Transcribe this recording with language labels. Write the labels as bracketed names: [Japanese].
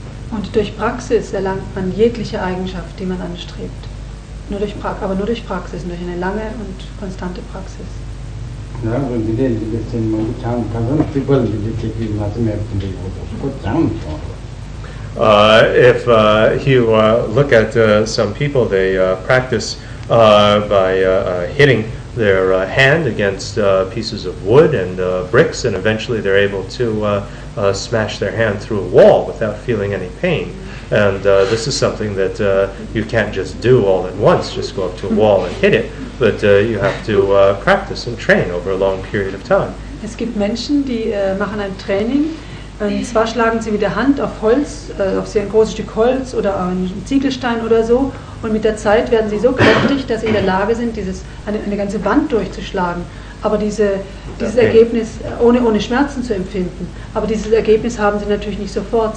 [German] Und durch Praxis erlangt man jegliche Eigenschaft, die man anstrebt. Nur durch Praxis, durch eine lange und konstante Praxis. [English] If you look at some people, they practice by hitting their hand against pieces of wood and bricks, and eventually they're able to smash their hand through a wall without feeling any pain. And this is something that you can't just do all at once, just go up to a wall and hit it, but you have to practice and train over a long period of time. [German] Es gibt Menschen, die machen ein Training. Und zwar schlagen sie mit der Hand auf Holz, auf sie ein großes Stück Holz oder einen Ziegelstein oder so. Und mit der Zeit werden sie so kräftig, dass sie in der Lage sind, eine ganze Wand durchzuschlagen. Aber dieses Ergebnis, ohne Schmerzen zu empfinden, aber dieses Ergebnis haben sie natürlich nicht sofort.